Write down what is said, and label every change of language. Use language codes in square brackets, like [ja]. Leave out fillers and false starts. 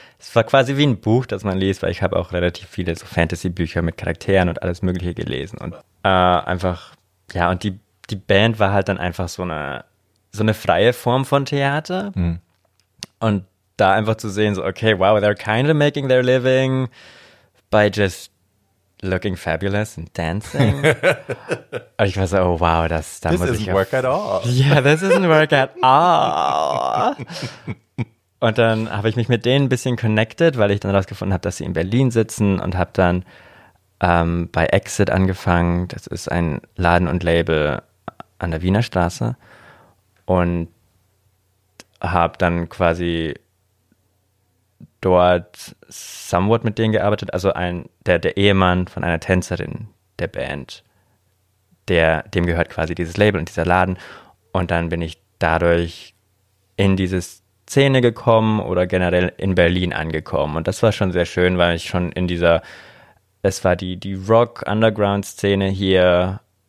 [de] Es war quasi wie ein Buch, das man liest, weil ich habe auch relativ viele so Fantasy-Bücher mit Charakteren und alles Mögliche gelesen und einfach, ja, und die Band war halt dann einfach so eine freie Form von Theater und da einfach zu sehen, so, okay, wow, [en] they're kind of making their living by just looking fabulous and dancing. [de] Aber ich war so, oh, wow, da muss ich auch. [en] This isn't work at all. Yeah, this isn't work at all. [de] Und dann habe ich mich mit denen ein bisschen connected, weil ich dann rausgefunden habe, dass sie in Berlin sitzen und habe dann bei Exit angefangen. Das ist ein Laden und Label an der Wiener Straße. Und habe dann quasi dort somewhat mit denen gearbeitet, also der Ehemann von einer Tänzerin der Band, dem gehört quasi dieses Label und dieser Laden und dann bin ich dadurch in diese Szene gekommen oder generell in Berlin angekommen und das war schon sehr schön, weil ich schon in dieser, es war die Rock-Underground-Szene hier,